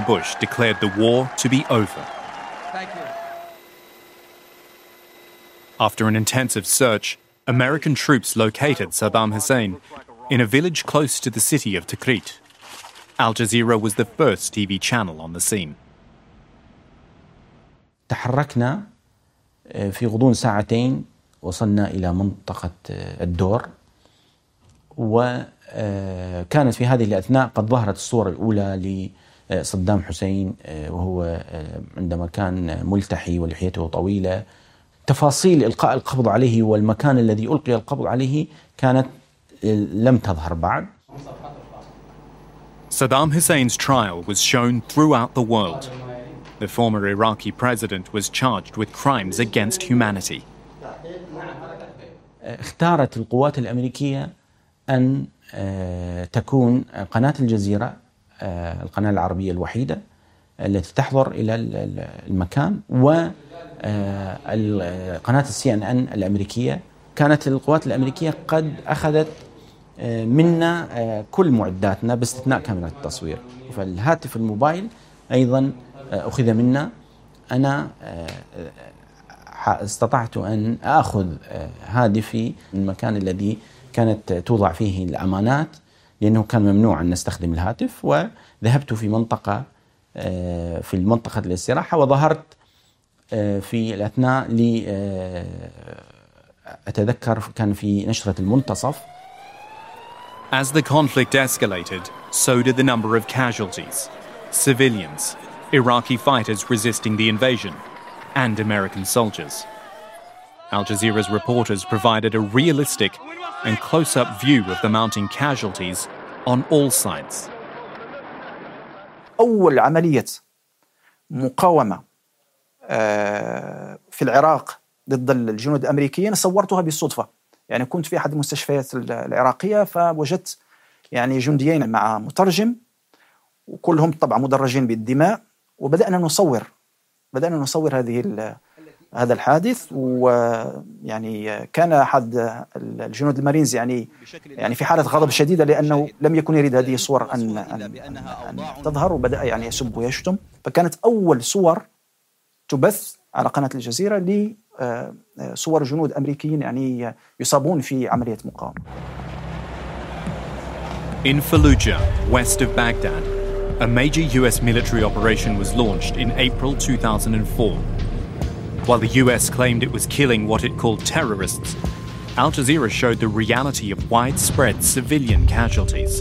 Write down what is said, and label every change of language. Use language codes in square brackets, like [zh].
[en] Bush declared the war to be over. Thank you. After an intensive search, American troops located Saddam Hussein in a village close to the city of Tikrit. Al Jazeera was the first TV channel on the scene. [ar] تحركنا في غضون ساعتين وصلنا إلى منطقة الدور، وكانت في هذه الأثناء قد ظهرت الصورة الأولى لصدام حسين وهو عندما كان ملتحي ولحيته طويلة. تفاصيل إلقاء القبض عليه والمكان الذي ألقي القبض عليه كانت لم تظهر بعد. [en] Saddam Hussein's trial was shown throughout the world. The former Iraqi president was charged with crimes against humanity. [ar] اختارت القوات الأمريكية أن تكون قناة الجزيرة القناة العربية الوحيدة التي تحضر إلى المكان، وقناة السي إن إن الأمريكية. كانت القوات الأمريكية قد أخذت منا كل معداتنا باستثناء كاميرا التصوير، فالهاتف الموبايل أيضا أخذ منا. أنا استطعت أن أخذ هاتفي من المكان الذي كانت توضع فيه الأمانات، لأنه كان ممنوع أن نستخدم الهاتف، وذهبت في منطقة في المنطقة للاستراحة، وظهرت في الأثناء لأتذكر كان في نشرة المنتصف. [en] As the conflict escalated, so did the number of casualties. Civilians, Iraqi fighters resisting the invasion, and American soldiers. Al Jazeera's reporters provided a realistic and close-up view of the mounting casualties on all sides. [ar] أول عملية مقاومة في العراق ضد الجنود الأمريكيين صورتها بالصدفة. يعني كنت في أحد المستشفيات العراقية فوجدت يعني جنديين مع مترجم وكلهم طبعا مدرجين بالدماء، وبدأنا نصور هذه هذا الحادث. ويعني كان أحد الجنود المارينز يعني في حالة غضب شديدة لأنه لم يكن يريد هذه الصور أن تظهر، وبدأ يعني يسب ويشتم. فكانت أول صور تبث على قناة الجزيرة لي صور جنود أمريكيين يعني يصابون في عملية مقاومة. [en] In Fallujah, west of Baghdad, a major US military operation was launched in April 2004. While the US claimed it was killing what it called terrorists, Al Jazeera showed the reality of widespread civilian casualties.